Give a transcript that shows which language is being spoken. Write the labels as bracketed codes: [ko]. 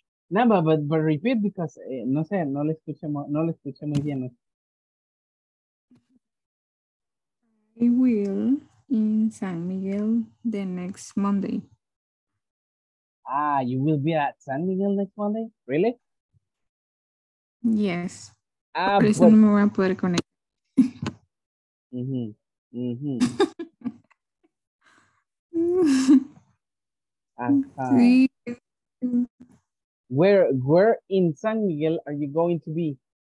[es] No, [en] but repeat because [es] no sé, no le escuché, no le escuché muy bien. [en] I will in San Miguel the next Monday. Ah, you will be at San Miguel next Monday? Really? Yes. [es] Ah, por eso no me voy a poder conectar. [en] Where in San Miguel are you going to be?